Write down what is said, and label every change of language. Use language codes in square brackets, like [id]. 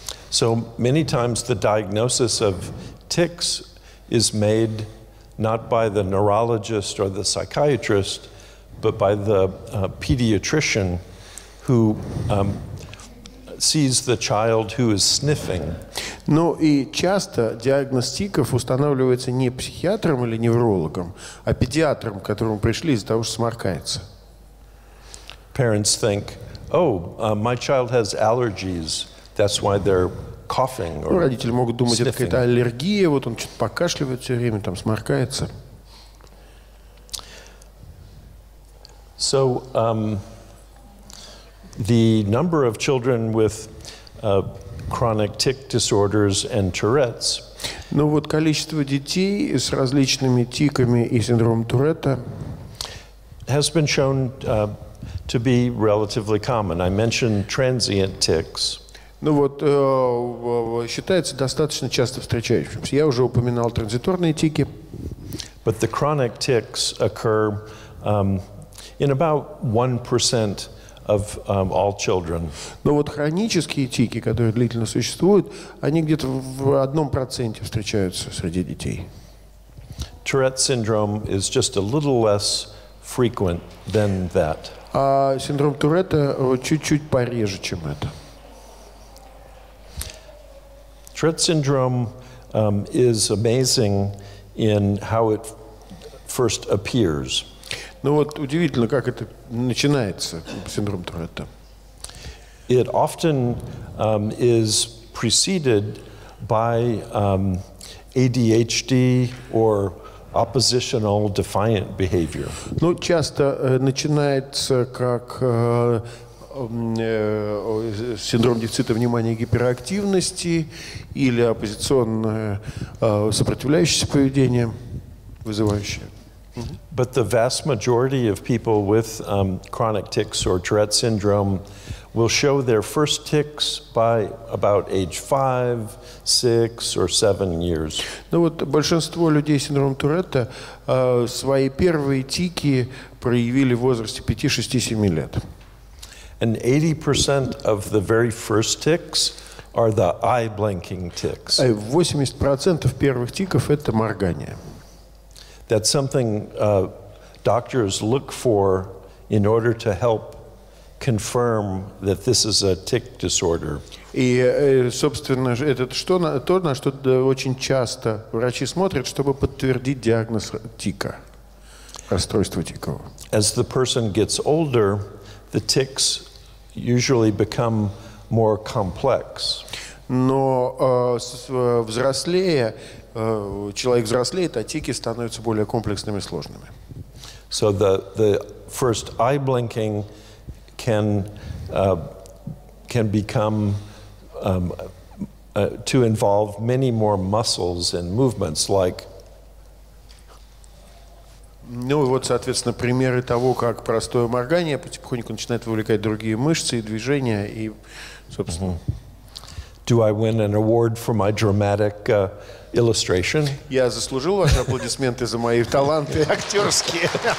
[en] So many times the diagnosis of tics is made not by the neurologist or the psychiatrist, but by the pediatrician who sees the child who is sniffing. [ru] Ну и часто диагноз тиков устанавливается не психиатром или неврологом, а педиатром, к которому пришли из-за того, что сморкается. [en] Parents think, oh, my child has allergies, that's why they're coughing. [ru] Ну, родители могут думать, это какая-то аллергия, вот он что-то покашливает все время, там сморкается. [en] So, the number of children with chronic tic disorders and Tourette's. [ru] Ну вот количество детей с различными тиками и синдромом Туретта [en] has been shown to be relatively common. I mentioned transient tics. [ru] Ну вот считается достаточно часто встречающимся. Я уже упоминал транзиторные тики. [en] But the chronic tics occur in about 1%. Of all children. [ru] Но вот хронические тики, которые длительно существуют, они где-то в 1% встречаются среди детей. [en] Tourette syndrome is just a little less frequent than that. [ru] А синдром Туретта чуть-чуть пореже, чем это. [en] Tourette syndrome is amazing in how it first appears. [ru] Ну вот удивительно, как это начинается, синдром Туретта. [en] It often is preceded by ADHD or oppositional defiant behavior. [ru] Ну, часто начинается как синдром дефицита внимания и гиперактивности или оппозиционное сопротивляющееся поведение, вызывающее. [en] But the vast majority of people with chronic tics or Tourette syndrome will show their first tics by about age 5, 6, or 7 years. [ru] Ну вот большинство людей с синдромом Туретта свои первые тики проявили в возрасте 5, 6, 7 лет. [en] And 80% of the very first tics are the eye blinking tics. [ru] 80% первых тиков это моргание. [en] That's something doctors look for in order to help confirm that this is a tic disorder. [ru] И, собственно, это что, то, на что очень часто врачи смотрят, чтобы подтвердить диагноз тика, расстройство тикового. [en] As the person gets older, the tics usually become more complex. [ru] Но взрослее, человек взрослеет, а тики становятся более комплексными и сложными. [en] So the first eye blinking can become to involve many more muscles and movements, like. [ru] Ну вот, соответственно, примеры того, как простое моргание потихоньку начинает вовлекать другие мышцы и движения, и, собственно. [en] Do I win an award for my dramatic illustration? [ru] Я заслужил ваши аплодисменты за мои таланты актерские.